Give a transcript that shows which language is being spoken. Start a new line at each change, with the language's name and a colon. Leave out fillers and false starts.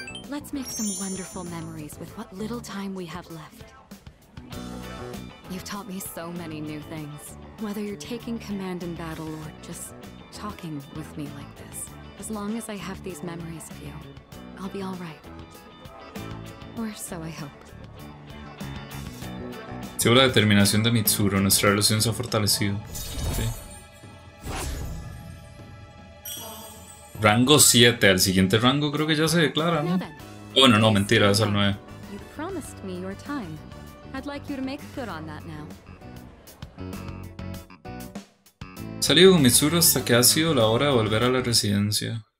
English: Let's make some wonderful memories with what little time we have left. You've taught me so many new things. Whether you're taking command in battle or just talking with me like this. As long as I have these memories of you, I'll be all right. Or so I hope.
Spanish: Sigo la determinación de Mitsuru, nuestra relación se ha fortalecido. Sí. rango 7, al siguiente rango creo que ya se declara, ¿no? Bueno, no, mentira, es al 9.
English: You promised me your time. I'd like you to make good on that now.
Spanish: Salí con Mitsuru hasta que ha sido la hora de volver a la residencia.